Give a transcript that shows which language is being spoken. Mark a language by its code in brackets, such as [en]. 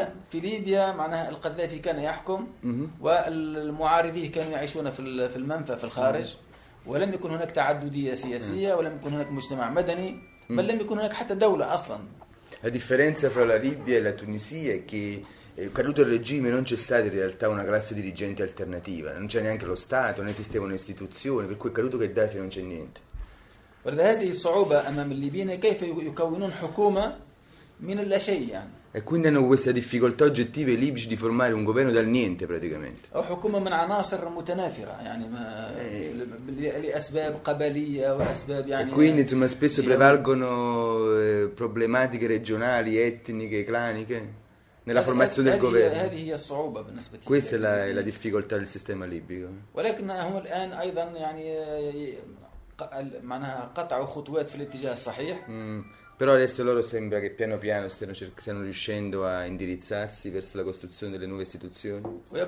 [ar] في ليبيا معناها القذافي كان يحكم والمعارضين كانوا يعيشون في المنفى في الخارج، ولم يكن هناك تعددية سياسية ولم يكن هناك مجتمع مدني بل لم يكن هناك حتى دولة أصلاً. [it] La differenza fra la Libia e la Tunisia è che caduto il regime non c'è stata in realtà una classe dirigente alternativa, non c'è neanche lo Stato, non esisteva un'istituzione, per cui caduto Gheddafi non c'è niente. Guarda, [ar] هذه الصعوبة أمام الليبيين كيف يكونون حكومة من لا شيء. [it] E quindi hanno questa difficoltà oggettiva i libici di formare un governo dal niente praticamente. [ar] O حكومة من عناصر متنافرة يعني لأسباب قبلية وأسباب يعني. [it] E quindi insomma spesso prevalgono problematiche regionali, etniche, claniche nella formazione del governo. [ar] هذه هي الصعوبة بالنسبة. [it] Questa è la difficoltà del sistema libico. [ar] ولكن هم الآن أيضا يعني معناها قطعوا خطوات في الاتجاه الصحيح. [it] Però adesso loro sembra che piano piano stiano riuscendo a indirizzarsi verso la costruzione delle nuove istituzioni.